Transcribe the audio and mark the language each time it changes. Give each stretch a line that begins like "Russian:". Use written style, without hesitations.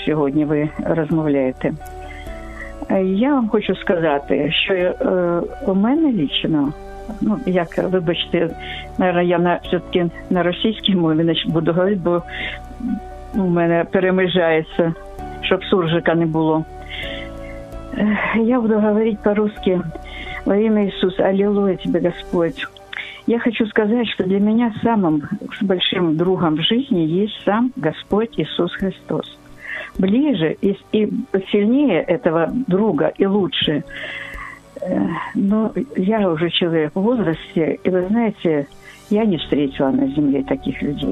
Ukrainian: Сьогодні ви розмовляєте. Я вам хочу сказати, що у мене лічно, ну, як, вибачте, наверное, я все-таки на російській мові буду говорити, бо у мене перемежається, щоб суржика не було. Я буду говорити по-русски. Во ім'я Ісуса, алілуя тебе, Господь.
Russian: Я хочу сказать, что для меня самым большим другом в жизни есть сам Господь Иисус Христос. Ближе и сильнее этого друга и лучше. Но я уже человек в возрасте, и вы знаете, я не встретила на земле таких людей.